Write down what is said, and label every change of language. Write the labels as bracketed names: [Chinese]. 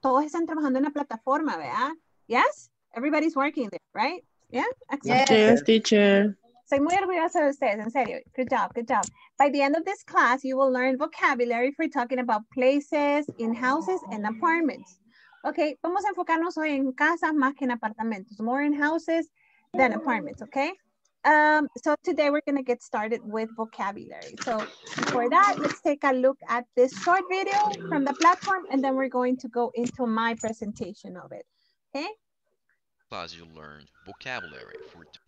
[Spanish] Todos están trabajando en la plataforma, ¿verdad? [English] Yes? Everybody's working there, right? Yeah? Excellent. Yes, teacher. [Spanish] Soy muy orgullosa de ustedes, en serio. [English] Good job, good job. By the end of this class, you will learn vocabulary for talking about places, in houses, and apartments. [Spanish] Okay, vamos a enfocarnos hoy en casas más que en apartamentos. [English] More in houses than apartments, okay? So today we're going to get started with vocabulary. So for that, let's take a look at this short video from the platform, and then we're going to go into my presentation of it, okay? Class, you learned vocabulary for...